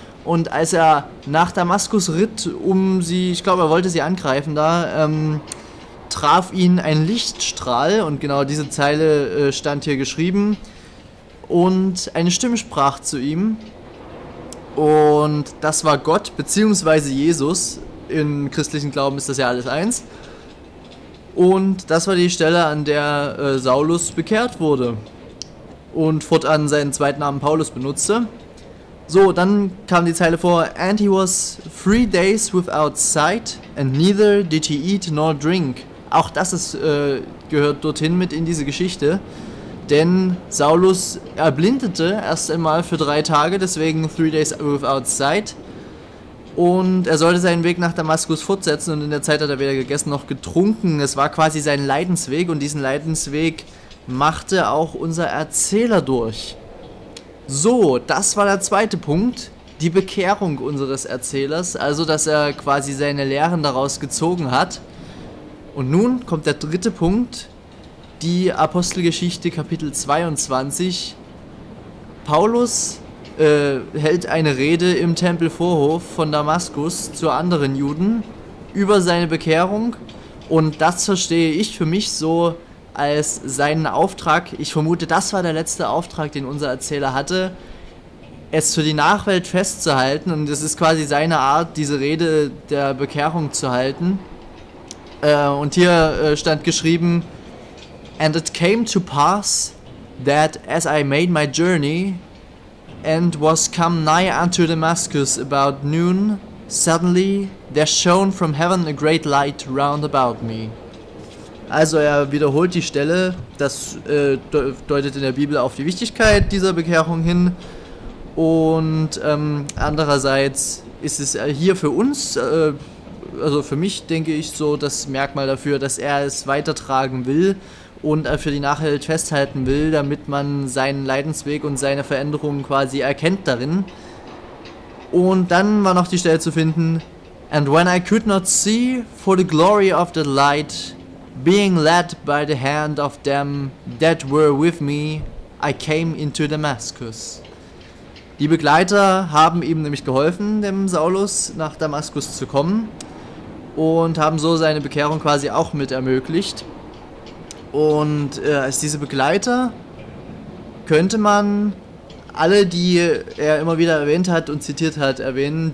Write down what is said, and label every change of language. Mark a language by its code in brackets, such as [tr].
[de] Und als er nach Damaskus ritt, um sie, ich glaube, er wollte sie angreifen da, traf ihn ein Lichtstrahl, und genau diese Zeile stand hier geschrieben, und eine Stimme sprach zu ihm, und das war Gott, beziehungsweise Jesus, im christlichen Glauben ist das ja alles eins, und das war die Stelle, an der Saulus bekehrt wurde und fortan seinen zweiten Namen Paulus benutzte. So, dann kam die Zeile vor, [en] and he was 3 days without sight, and neither did he eat nor drink. [de] Auch das ist, gehört dorthin mit in diese Geschichte, denn Saulus erblindete erst einmal für 3 Tage, deswegen [en] 3 days without sight, [de] und er sollte seinen Weg nach Damaskus fortsetzen, und in der Zeit hat er weder gegessen noch getrunken. Es war quasi sein Leidensweg, und diesen Leidensweg machte auch unser Erzähler durch. So, das war der zweite Punkt, die Bekehrung unseres Erzählers, also dass er quasi seine Lehren daraus gezogen hat. Und nun kommt der dritte Punkt, die Apostelgeschichte Kapitel 22. Paulus hält eine Rede im Tempelvorhof von Damaskus zu anderen Juden über seine Bekehrung, und das verstehe ich für mich so als seinen Auftrag. Ich vermute, das war der letzte Auftrag, den unser Erzähler hatte, es für die Nachwelt festzuhalten, und es ist quasi seine Art, diese Rede der Bekehrung zu halten. Und hier stand geschrieben, [en] and it came to pass that as I made my journey and was come nigh unto Damascus about noon, suddenly there shone from heaven a great light round about me. [de] Also er wiederholt die Stelle, das deutet in der Bibel auf die Wichtigkeit dieser Bekehrung hin, und andererseits ist es hier für uns, also für mich denke ich so, das Merkmal dafür, dass er es weitertragen will und er für die Nachwelt festhalten will, damit man seinen Leidensweg und seine Veränderungen quasi erkennt darin. Und dann war noch die Stelle zu finden, [en] and when I could not see for the glory of the light, being led by the hand of them that were with me, I came into Damascus. [de] Die Begleiter haben ihm nämlich geholfen, dem Saulus nach Damaskus zu kommen, und haben so seine Bekehrung quasi auch mit ermöglicht. Und als diese Begleiter könnte man alle, die er immer wieder erwähnt hat und zitiert hat, erwähnen.